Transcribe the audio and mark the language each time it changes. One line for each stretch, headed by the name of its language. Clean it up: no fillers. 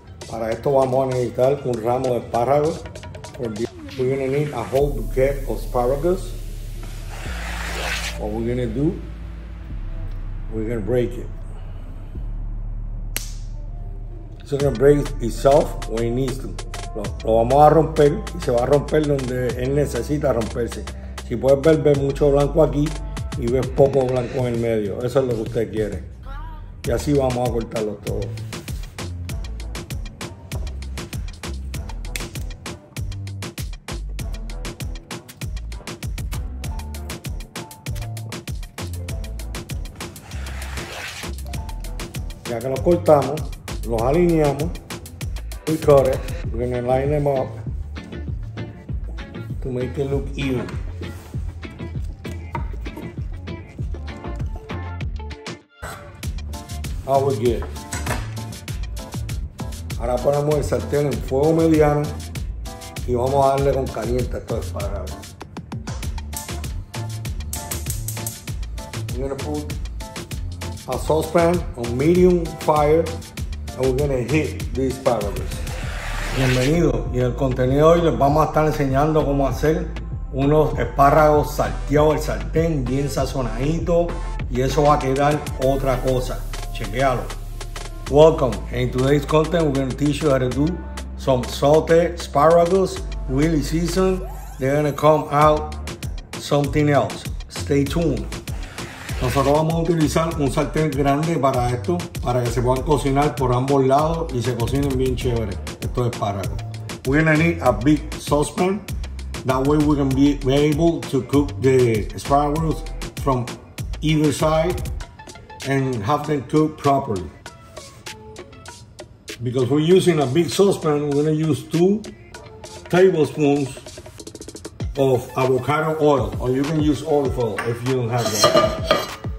Spanish: Para esto vamos a necesitar un ramo de espárragos.
English: We're gonna need a whole bouquet of asparagus. What we're gonna do, we're gonna break it. It's gonna break itself when it needs to.
Spanish: Lo vamos a romper y se va a romper donde él necesita romperse. Si puedes ver, ves mucho blanco aquí y ves poco blanco en el medio. Eso es lo que usted quiere. Y así vamos a cortarlo todo. Ya que los cortamos, los alineamos,
English: we cut it, we're gonna line them up to make it look even. How we get.
Spanish: Ahora ponemos el sartén en fuego mediano y vamos a darle con caliente a todo el espárrago.
English: We're gonna put a saucepan on medium fire and we're gonna hit these asparagus.
Spanish: Bienvenido, y en el contenido de hoy les vamos a estar enseñando cómo hacer unos espárragos salteados al sartén, bien sazonadito, y eso va a quedar otra cosa. Chequealo.
English: Welcome, and in today's content we're gonna teach you how to do some salted asparagus, really seasoned. They're gonna come out something else. Stay tuned.
Spanish: Nosotros vamos a utilizar un sartén grande para esto, para que se puedan cocinar por ambos lados y se cocinen bien chévere. Esto es para.
English: We're gonna need a big saucepan. That way we can be able to cook the asparagus from either side and have them cook properly. Because we're using a big saucepan, we're gonna use 2 tablespoons of avocado oil, or you can use olive oil if you don't have that.